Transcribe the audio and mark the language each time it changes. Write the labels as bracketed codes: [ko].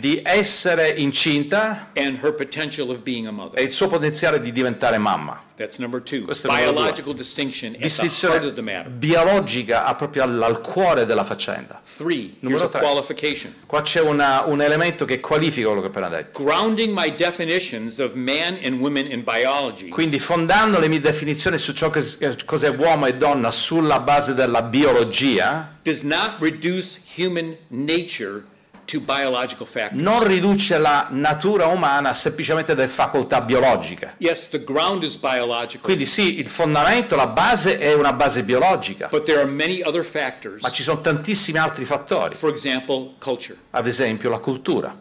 [it] Di essere incinta. [en] And her potential of being a mother. [it] E il suo potenziale di diventare mamma. [en] That's number two. [it] Questo [en] biological [it] due. [en] Distinction. [it] Distinzione [en] at the heart of the matter. [it] Biologica ha proprio al cuore della faccenda. [en] Three. [it] Numero tre. [en] A qualification. [it] Qua c'è un elemento che qualifica quello che ho appena detto. [en] Grounding my definitions of man and women in biology. [it] Quindi fondando le mie definizioni su ciò che cos'è uomo e donna sulla base della biologia. [en] Does not reduce human nature to biological factors. [it] Non riduce la natura umana semplicemente delle facoltà biologiche. [en] Yes, the ground is biological. [it] Quindi sì, il fondamento, la base è una base biologica. [en] But there are many other factors. [it] Ma ci sono tantissimi altri fattori. [en] For example, culture. [it] Ad esempio, la cultura.